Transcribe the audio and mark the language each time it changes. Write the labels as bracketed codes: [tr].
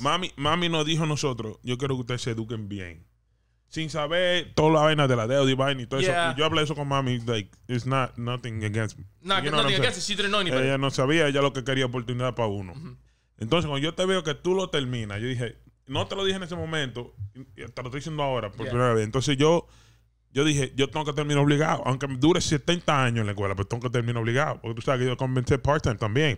[es] Mami nos dijo a nosotros, yo quiero que ustedes se eduquen bien. Sin saber toda la vaina de la deuda y vaina y todo eso. Yo hablé eso con mami, [en] like, it's nothing against me. Nothing against me. [es] Ella no sabía, ella lo que quería oportunidad para uno. Mm-hmm. Entonces, cuando yo te veo que tú lo terminas, yo dije, no te lo dije en ese momento, te lo estoy diciendo ahora por primera vez. Entonces yo dije, yo tengo que terminar obligado. Aunque me dure 70 años en la escuela, pero tengo que terminar obligado. Porque tú sabes que yo comencé part-time también.